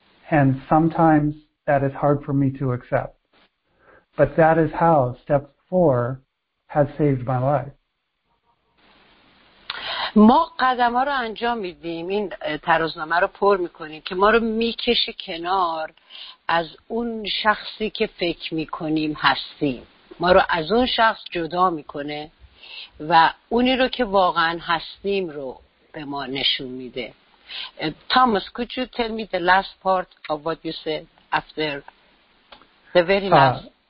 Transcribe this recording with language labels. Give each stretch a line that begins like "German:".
English: And sometimes that is hard for me to accept. But that is how step 4 has saved my life.
Persian: ما قدم ها رو انجام میدیم، این ترازنامه رو پر میکنیم که ما رو میکشه کنار از اون شخصی که فکر میکنیم هستیم، ما رو از اون شخص جدا میکنه و اونی رو که واقعا هستیم رو به ما نشون میده.
English: Thomas, could you tell me the last part of what you said after the very last?